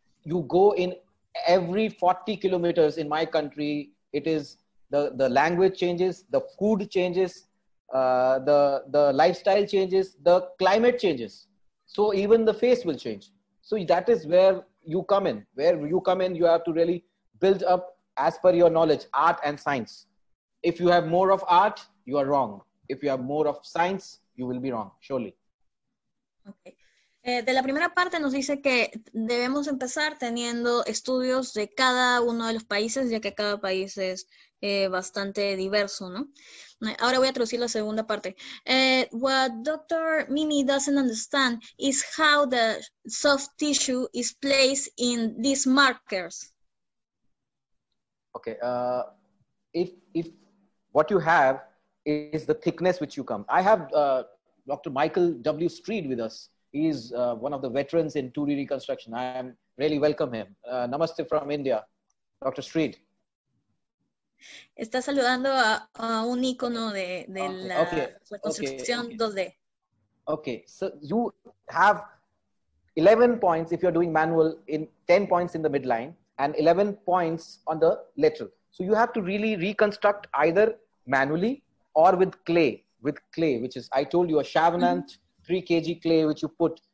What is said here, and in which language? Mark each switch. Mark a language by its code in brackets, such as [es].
[en] You go in every 40 kilometers in my country, it is the language changes, the food changes, the lifestyle changes, the climate changes. So even the face will change. So that is where you come in. Where you come in, you have to really build up as per your knowledge, art and science. If you have more of art, you are wrong. If you have more of science, you will be wrong, surely. Okay. [es] De la primera parte nos dice que debemos empezar teniendo estudios de cada uno de los países, ya que cada país es bastante diverso, ¿no? Ahora voy a traducir la segunda parte. [en] What Dr. Mimi doesn't understand is how the soft tissue is placed in these markers. Okay. If what you have is the thickness which you come. I have Dr. Michael W. Street with us. He is one of the veterans in 2D reconstruction. I am really welcome him. Namaste from India, Dr. Street. [es] Está saludando a un icono de reconstrucción 2D. [en] Okay, so you have 11 points if you're doing manual, in 10 points in the midline and 11 points on the lateral. So you have to really reconstruct either manually or with clay, which is, I told you, a Chavanant, 3 kg clay, which you put.